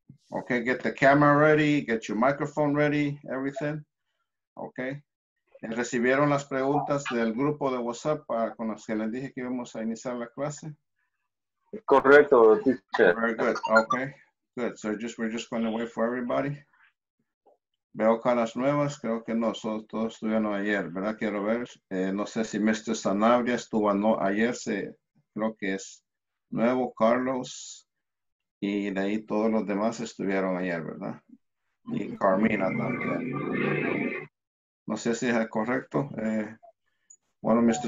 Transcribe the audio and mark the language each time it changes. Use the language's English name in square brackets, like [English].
[English] Okay, get the camera ready, get your microphone ready, everything. Okay. [Spanish] ¿Recibieron las preguntas del grupo de WhatsApp para con las que les dije que íbamos a iniciar la clase? Correcto, teacher. [English] Very good. Okay. Good. So we're just going to wait for everybody. [Spanish] Veo caras nuevas, creo que no, so, todos estuvieron ayer, ¿verdad? Quiero ver. No sé si Mr. Sanabria estuvo no, ayer, se, creo que es nuevo, Carlos. Y de ahí todos los demás estuvieron ayer, ¿verdad? Y Carmina también. No sé si es correcto. Bueno, Mr.